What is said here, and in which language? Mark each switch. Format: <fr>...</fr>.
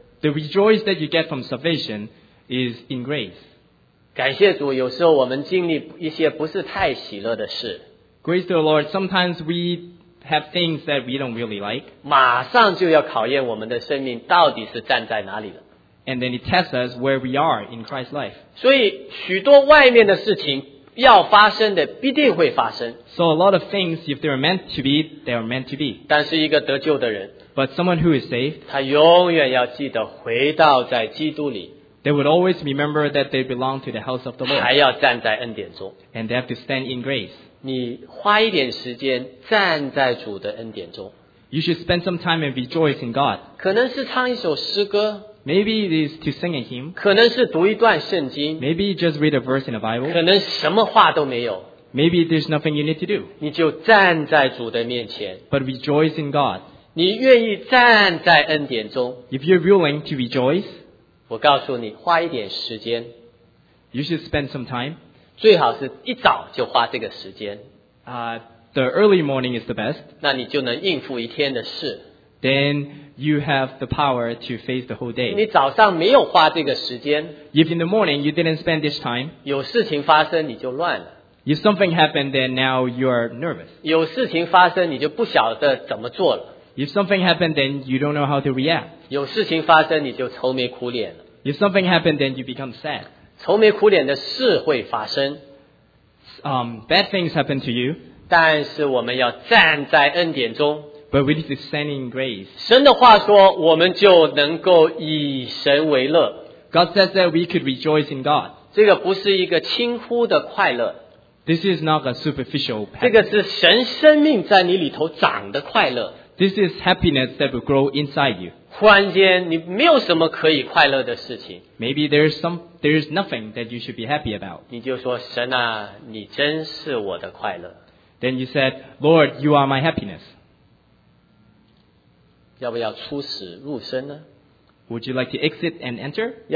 <en>the rejoice that you get from salvation is in grace.</en> <zh>感谢主，有时候我们经历一些不是太喜乐的事。</zh> <en>Grace to the Lord, sometimes we have things that we don't really like.</en> <zh>马上就要考验我们的生命到底是站在哪里了。</zh> <en>And then it tests us where we are in Christ's life.</en> <zh>所以许多外面的事情要发生的必定会发生。</zh> <en>So a lot of things, if they are meant to be, they are meant to be.</en> <zh>但是一个得救的人,</zh> <en>but someone who is saved,</en> <zh>他永远要记得回到在基督里。</zh> <en>They would always remember that they belong to the house of the Lord.</en> <zh>还要站在恩典中,</zh> <en>and they have to stand in grace.</en> <zh>你花一点时间站在主的恩典中,</zh> <en>you should spend some time and rejoice in God.</en> <zh>可能是唱一首诗歌,</zh> <en>maybe it is to sing a hymn.</en> <zh>可能是读一段圣经,</zh> <en>maybe just read a verse in the Bible.</en> <zh>可能什么话都没有,</zh> <en>maybe there's nothing you need to do.</en> <zh>你就站在主的面前,</zh> <en>but rejoice in God.</en> <zh>你愿意站在恩典中,</zh> <en>if you're willing to rejoice,</en> <zh>我告诉你, 花一点时间,</zh> <en>you should spend some time.</en> <zh>最好是一早就花这个时间,</zh> <en>the early morning is the best.</en> <zh>那你就能应付一天的事,</zh> <en>then you have the power to face the whole day.</en> <zh>你早上没有花这个时间,</zh> <en>if in the morning you didn't spend this time,</en> <zh>有事情发生你就乱了,</zh> <en>if something happened, then now you are nervous.</en> <zh>有事情发生你就不晓得怎么做了,</zh> <en>if something happened, then you don't know how to react.</en> <zh>有事情发生你就愁眉苦脸了。</zh> <en>If something happened, then you become sad.</en> <zh>愁眉苦脸的事会发生。</zh> <en>Bad things happen to you.</en> <zh>但是我们要站在恩典中。</zh> <en>But with his sending grace.</en> <zh>神的话说, 我们就能够以神为乐。</zh> <en>God says that we could rejoice in God.</en> <zh>这个不是一个轻忽的快乐。</zh> <en>This is not a superficial happiness.</en> <zh>这个是神生命在你里头长的快乐。</zh> <en>This is happiness that will grow inside you.</en> <zh>忽然间你没有什么可以快乐的事情。</zh> <en>Maybe there is nothing that you should be happy about.</en> <zh>你就说神啊，你真是我的快乐。</zh> <en>Then you said, Lord, you are my happiness.</en> <zh>要不要出死入生呢？</zh> <en>Would you like to exit and enter?</en>